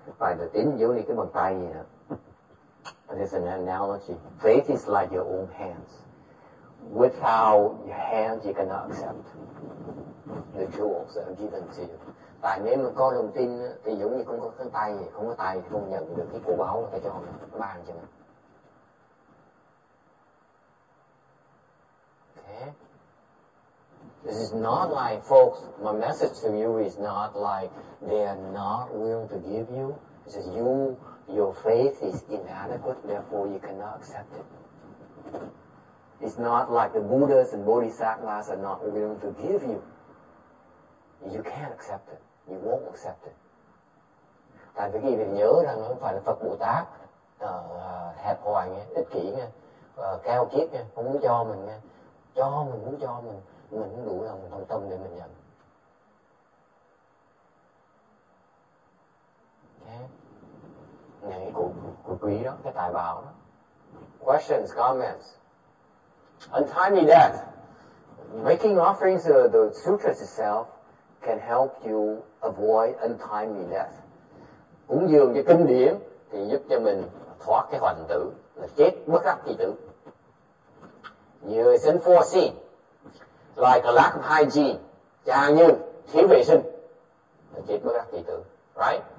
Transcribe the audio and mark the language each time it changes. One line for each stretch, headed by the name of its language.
Vietnamese: Phải là tin giống như cái bàn tay vậy.
English: There's an analogy. Faith is like your own hands. Without your hands, you cannot accept the jewels that are given to you.
Vietnamese: Tại nếu mà có lòng tin thì giống như không có cái tay, không có tay thì không nhận được cái củ báu mà ta cho mình, nó ban cho mình.
English: Okay. This is not like, folks, my message to you is not like they are not willing to give you. It's just you, your faith is inadequate, therefore you cannot accept it. It's not like the Buddhas and Bodhisattvas are not willing to give you. You can't accept it. You won't accept it.
Vietnamese: Tại vì quý vị nhớ rằng không phải là Phật Bồ Tát hẹp hòi nghe, ích kỷ nghe, cao kiết nghe, không muốn cho mình nghe, cho mình muốn cho mình không đủ lòng thông tâm để mình nhận. Okay. Này của quý đó, cái tài bảo đó.
English: Questions, comments. Untimely death. Making offerings of the sutras itself can help you avoid untimely death.
Vietnamese: Cúng dường cho kinh điển thì giúp cho mình thoát cái hoạn tử, là chết bất đắc kỳ tử.
English: You is unforeseen. like a lack of hygiene,
Vietnamese: chẳng như thiếu vệ sinh, chết bất đắc kỳ tử, right?